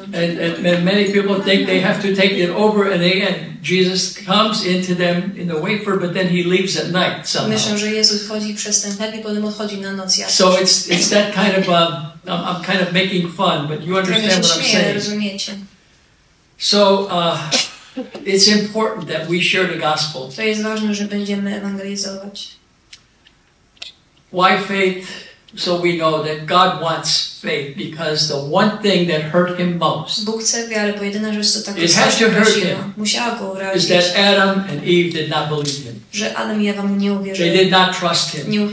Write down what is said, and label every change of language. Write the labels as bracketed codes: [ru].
[en] And many people think they have to take it over and again. Jesus comes into them in the wafer, but then he leaves at night somehow. [pl] Myślę, że Jezus wchodzi przez ten chleb i potem odchodzi na noc. [en] So it's that kind of, I'm kind of making fun, but you understand what I'm saying. So it's important that we share the gospel. [pl] To jest ważne, że będziemy ewangelizować. [en] Why faith? So we know that God wants faith, because the one thing that hurt him most, it has to hurt him, is that Adam and Eve did not believe him. They did not trust him.